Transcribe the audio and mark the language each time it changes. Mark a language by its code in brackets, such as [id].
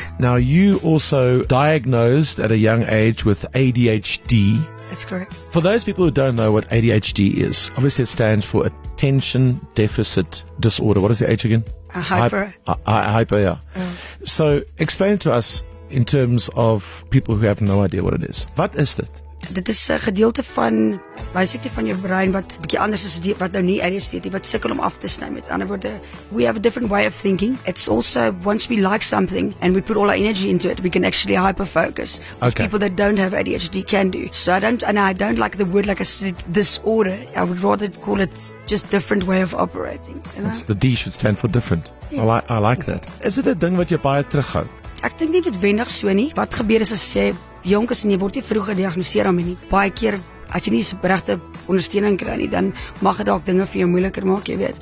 [en] Now, you also diagnosed at a young age with ADHD. That's correct. For those people who don't know what ADHD is, obviously it stands for Attention Deficit Disorder. What is the H again? Hyper. So, explain to us in terms of people who have no idea what it is. What is it? [af] Dit is 'n gedeelte van basically van jou brein wat bietjie anders is die, wat nou nie ADHD het nie, wat sukkel om af te sny. Met ander woorde, [en] we have a different way of thinking. It's also, once we like something and we put all our energy into it, we can actually hyperfocus. Okay. People that don't have ADHD can do. So I don't like the word, like I said, disorder. I would rather call it just different way of operating. You know? The D should stand for different. Yes. I like that. Is it a [af] ding wat jy baie terughou? Ek dink nie noodwendig so nie. Wat gebeur is as jy jonk is en jy word nie vroeg gediagnoseer daarmee nie. Baie keer, as jy nie die regte ondersteuning kry nie, dan mag dit dalk dinge vir jou moeiliker maak, jy weet.